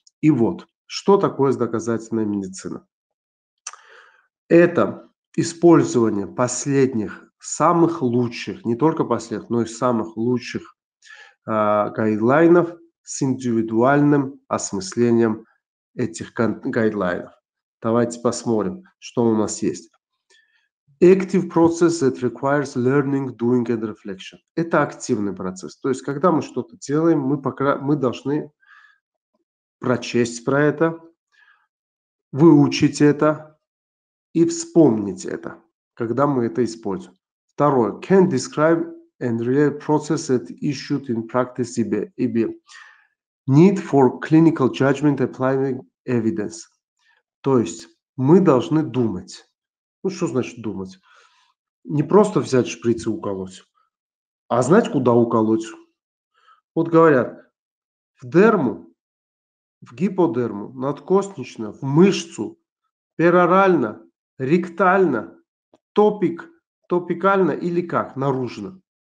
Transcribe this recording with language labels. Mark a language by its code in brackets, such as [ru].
[ru] И вот, что такое доказательная медицина? Это использование последних, самых лучших, не только последних, но и самых лучших гайдлайнов, с индивидуальным осмыслением этих гайдлайнов. Давайте посмотрим, что у нас есть. [en] Active process that requires learning, doing and reflection. [ru] Это активный процесс. То есть, когда мы что-то делаем, мы должны прочесть про это, выучить это и вспомнить это, когда мы это используем. Второе. [en] Can describe and relate process that issued in practice EBM. Need for clinical judgment applying evidence. [ru] То есть мы должны думать. Ну что значит думать? Не просто взять шприц и уколоть, а знать, куда уколоть. Вот говорят, в дерму, в гиподерму, надкостнично, в мышцу, перорально, ректально, топикально или как? Наружно.